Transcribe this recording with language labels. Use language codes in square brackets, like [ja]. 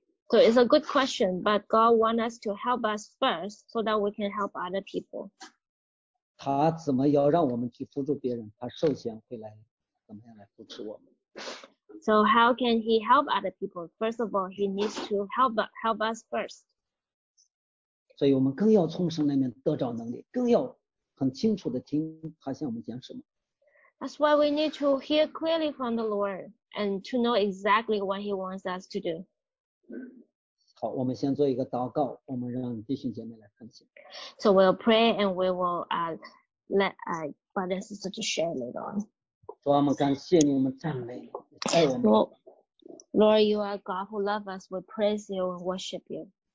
[en] So it's a good question, but God wants us to help us first so that we can help other people. [zh] 他怎么要让我们去扶助别人？他首先会来怎么样来扶持我们？ [en] So how can he help other people? First of all, he needs to help us first. [zh] 所以我们更要从神那边得着能力，更要很清楚地听他向我们讲什么。 [en] That's why we need to hear clearly from the Lord and to know exactly what he wants us to do. [zh] 好，我们先做一个祷告，我们让弟兄姐妹来分享。 [en] So we'll pray and we will let brother and sister to share later on. [zh] 主啊，我们感谢你，我们赞美，爱我们。Lord, [en] you are God who loves us. We praise you and worship you.